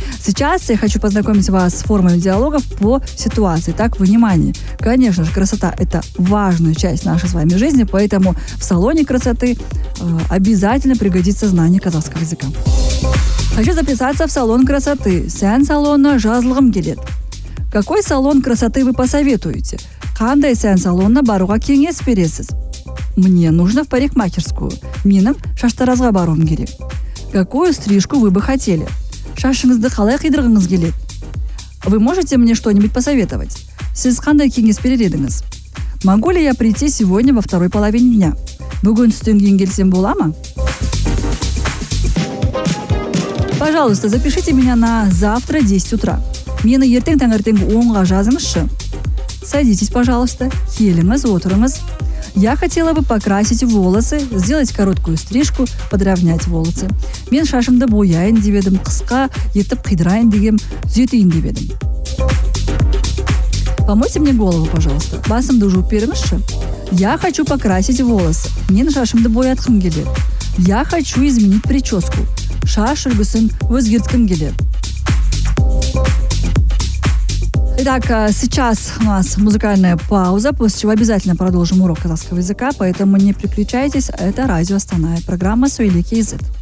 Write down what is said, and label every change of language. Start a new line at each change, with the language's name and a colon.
Russian: Сейчас я хочу познакомить вас с формами диалогов по ситуации. Так, внимание. Конечно же, красота – это важная часть нашей с вами жизни, поэтому в салоне красоты обязательно пригодится знание казахского языка. Хочу записаться в салон красоты.
Kazakh: Сән салона жазлығым келет.
Russian: Какой салон красоты вы посоветуете?
Kazakh: Қандай сән салонына баруға кеңес бересіз?
Russian: Мне нужно в парикмахерскую.
Kazakh: Менің шаштаразға баруым керек.
Russian: Какую стрижку вы бы хотели?
Kazakh: Шашыңызды қалай қидырғыңыз келет?
Russian: Вы можете мне что-нибудь посоветовать?
Kazakh: Сіз қандай кеңес берер едіңіз?
Russian: Могу ли я прийти сегодня во второй половине дня?
Kazakh: Бүгін түстен келсем бола ма?
Russian: Пожалуйста, запишите меня на завтра 10 утра.
Kazakh: Мені ертең таңертең 10-ға жазыңызшы.
Russian: Садитесь, пожалуйста.
Kazakh: Келіңіз, отырыңыз.
Russian: Я хотела бы покрасить волосы, сделать короткую стрижку, подровнять волосы.
Kazakh: Мен шашымды бояйын деп едім, қысқа етіп қидырайын дегем, түзетейін деп едім.
Russian: Помойте мне голову, пожалуйста.
Kazakh: Басымды жуып беріңізші.
Russian: Я хочу покрасить волосы.
Kazakh: Мен шашымды боятқым келеді.
Russian: Я хочу изменить прическу.
Kazakh: Шаш үлгісін өзгерткім келеді.
Russian: Итак, сейчас у нас музыкальная пауза, после чего обязательно продолжим урок казахского языка, поэтому не переключайтесь, это радио Астана, программа «Сөйлеки язык».